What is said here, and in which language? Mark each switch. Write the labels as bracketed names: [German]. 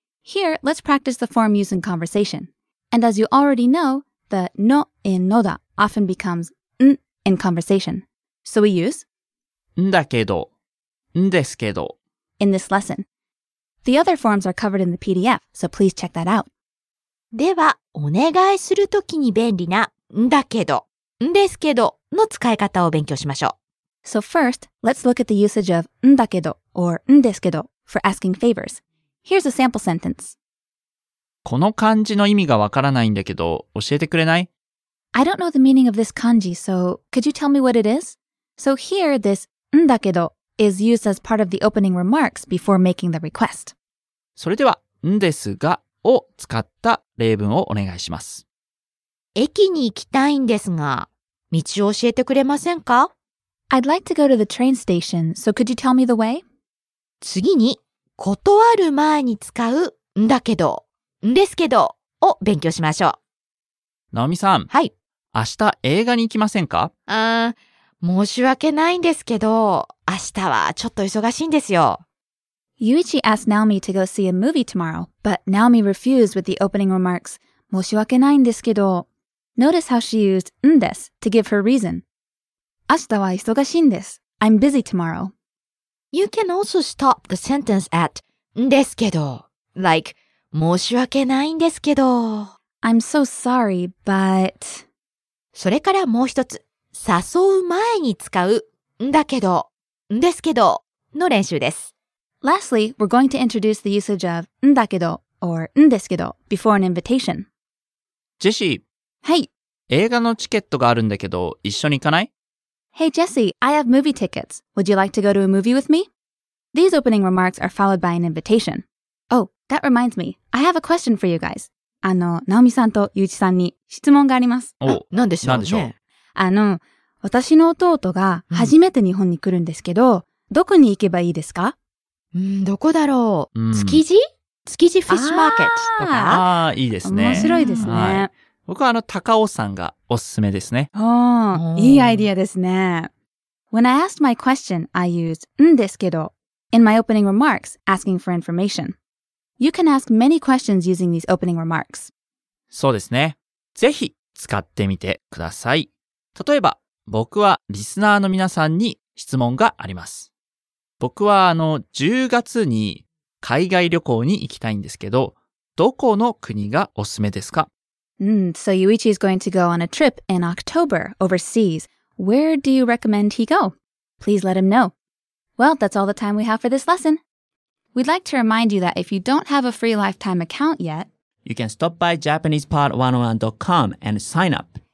[English] Here, let's practice the form used in conversation. And as you already know, the no in noda often becomes n in conversation. So we use [Japanese] んだけど、んですけど [English] in this lesson. The other forms are covered in the PDF, so please check that out. [Japanese] では、お願いするときに便利なんだけど、んですけどの使い方を勉強しましょう。 [English] So first, let's look at the usage of んだけど or んですけど for asking favors. Here's a sample sentence. [Japanese] この漢字の意味がわからないんだけど、教えてくれない? [English] I don't know the meaning of this kanji, so could you tell me what it is? So here, this んだけど is used as part of the opening remarks before making the request. [Japanese] それでは、んですがを使った例文をお願いします。駅に行きたいんですが、道を教えてくれませんか? [English] I'd like to go to the train station, so could you tell me the way? [Japanese] 次に、断る前に使うんだけど、んですけどを勉強しましょう。ナオミさん。はい。明日映画に行きませんか? 申し訳ないんですけど、明日はちょっと忙しいんですよ。 [English] Yuichi asked Naomi to go see a movie tomorrow, but Naomi refused with the opening remarks, [Japanese] 申し訳ないんですけど。 [English] Notice how she used んです to give her reason. [Japanese] 明日は忙しいんです。 [English] I'm busy tomorrow. You can also stop the sentence at んですけど。 [Japanese] Like, 申し訳ないんですけど。 [English] I'm so sorry, but... [Japanese] それからもう一つ。誘う前に使うんだけど、んですけどの練習です。 [English] Lastly, we're going to introduce the usage of んだけど or んですけど before an invitation. [Japanese] ジェシー。はい。映画のチケットがあるんだけど、一緒に行かない? [English] Hey Jesse, I have movie tickets. Would you like to go to a movie with me? These opening remarks are followed by an invitation. Oh, that reminds me. I have a question for you guys. [Japanese] ナオミさんとユウチさんに質問があります。お、なんでしょう?なんでしょう? 私の弟が初めて日本に来るんですけど、うん、どこに行けばいいですか? どこだろう、築地? 築地フィッシュマーケットとか? ああ、いいですね。面白いですね。はい、僕は高尾山がおすすめですね。いいアイディアですね。 [English] When I asked my question, I used んですけど in my opening remarks, asking for information. You can ask many questions using these opening remarks. [Japanese] そうですね。ぜひ使ってみてください。例えば、僕はリスナーの皆さんに質問があります。僕は10月に海外旅行に行きたいんですけど、どこの国がおすすめですか? [English] So Yuichi is going to go on a trip in October overseas. Where do you recommend he go? Please let him know. Well, that's all the time we have for this lesson. We'd like to remind you that if you don't have a free lifetime account yet, you can stop by JapanesePod101.com and sign up.